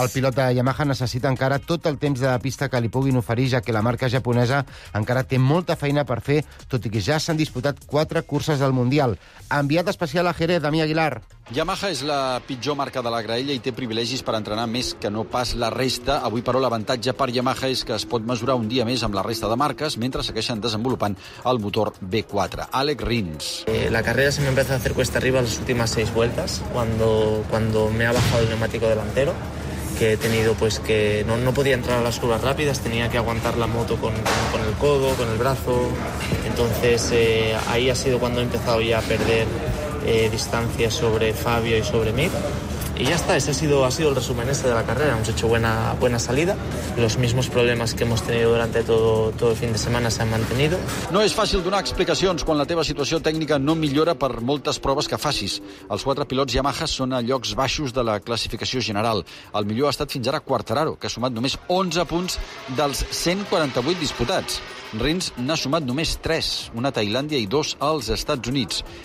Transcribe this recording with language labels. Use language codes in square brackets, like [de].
[ca] El pilot de Yamaha necessita encara tot el temps de pista que li puguin oferir, ja que la marca japonesa encara té molta feina per fer, tot i que ja s'han disputat 4 curses del Mundial. Enviat especial a Jerez, Dami Aguilar. Yamaha és la pitjor marca de la graella i té privilegis per entrenar més que no pas la resta. Avui, però, l'avantatge per Yamaha és que es pot mesurar un dia més amb la resta de marques mentre segueixen desenvolupant el motor V4. Àlex Rins. [es] La carrera se me empieza a hacer cuesta arriba las últimas 6 vueltas cuando me ha bajado el neumático delantero. Que he tenido pues que no podía entrar a las curvas rápidas, tenía que aguantar la moto con el codo, con el brazo. Entonces ahí ha sido cuando he empezado ya a perder distancia sobre Fabio y sobre Mir. Y ya está, ese ha sido el resumen este de la carrera. Hemos hecho buena salida. Los mismos problemas que hemos tenido durante todo el fin de semana se han mantenido. [ca] No és fàcil donar explicacions quan la teva situació tècnica no millora per moltes proves que facis. Els 4 pilots Yamaha són a llocs baixos de la classificació general. El millor ha estat fins ara Quartararo, que ha sumat només 11 punts dels 148 disputats. Rins n'ha sumat només 3, una a Tailàndia i 2 als Estats Units.